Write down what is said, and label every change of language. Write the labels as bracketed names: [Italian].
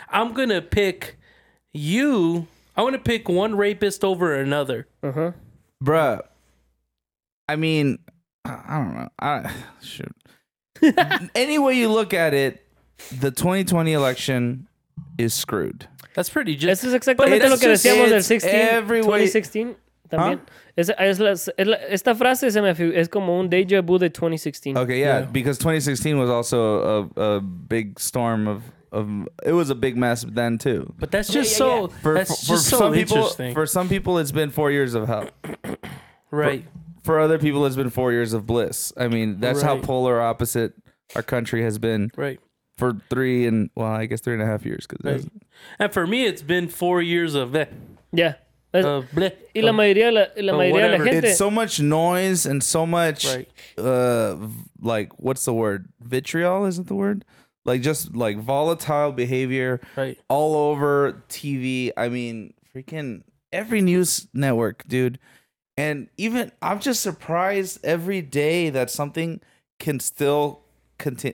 [English] I'm going to pick you. I want to pick one rapist over another. Uh-huh. Bruh. I mean, I don't know. Shoot. Any way you look at it, the 2020 election is screwed. That's pretty just. [Spanish] Eso es exactamente lo que decíamos del 2016 también. Esta frase se me es como un deja vu de 2016. [English] Okay, yeah, because 2016 was also a big storm of it was a big mess then too. But that's just so interesting. For some people it's been 4 years of hell. Right. For other people, it's been 4 years of bliss. I mean, that's right. How polar opposite our country has been. Right. For three and a half years. Right. And for me, it's been 4 years of that. Yeah. [Spanish] Bleh. Y la mayoría, la mayoría de la gente. [English] It's so much noise and so much, like, what's the word? Vitriol, is it the word? Like, just, like, volatile behavior all over TV. I mean, freaking every news network, dude. And even I'm just surprised every day that something can still continue.